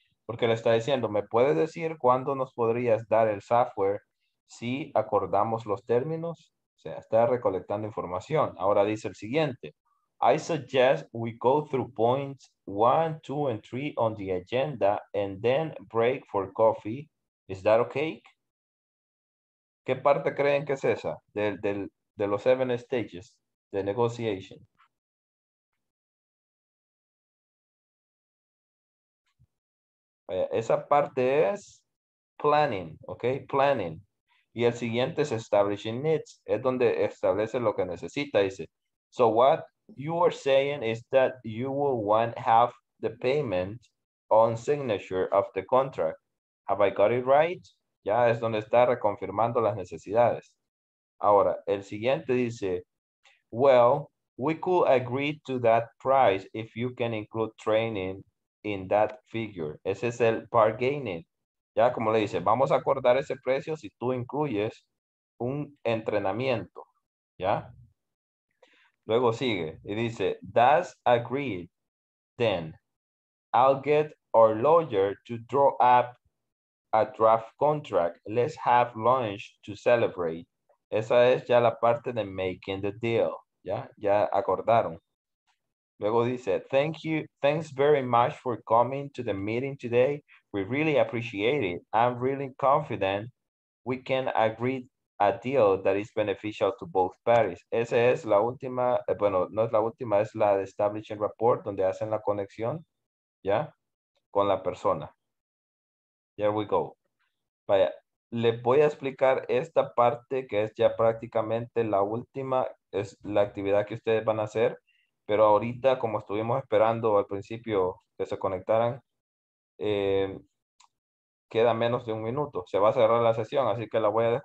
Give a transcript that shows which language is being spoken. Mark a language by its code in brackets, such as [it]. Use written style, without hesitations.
[es] Porque le está diciendo, ¿me puedes decir cuándo nos podrías dar el software si acordamos los términos? O sea, está recolectando información. Ahora dice el siguiente. [en] I suggest we go through points 1, 2, and 3 on the agenda and then break for coffee. Is that okay? [es] ¿Qué parte creen que es esa de los seven stages de negotiation? Esa parte es planning, okay? Planning. Y el siguiente es establishing needs. Es donde establece lo que necesita, dice. [en] So what you are saying is that you will want half the payment on signature of the contract. Have I got it right? [es] Ya es donde está reconfirmando las necesidades. Ahora, el siguiente dice, [en] well, we could agree to that price if you can include training in that figure. [es] Ese es el bargaining. Ya como le dice, vamos a acordar ese precio si tú incluyes un entrenamiento. Ya. Luego sigue y dice, [en] that's agreed, then I'll get our lawyer to draw up a draft contract. Let's have lunch to celebrate. [es] Esa es ya la parte de making the deal, ¿ya? Ya acordaron. Luego dice, [en] thank you, thanks very much for coming to the meeting today. We really appreciate it. I'm really confident we can agree a deal that is beneficial to both parties. [es] Esa es la última, bueno, no es la última, es la de establishing rapport, donde hacen la conexión, ¿ya? Con la persona. [en] Here we go. [es] Vaya, le voy a explicar esta parte que es ya prácticamente la última, es la actividad que ustedes van a hacer, pero ahorita, como estuvimos esperando al principio que se conectaran, queda menos de un minuto. Se va a cerrar la sesión, así que la voy a...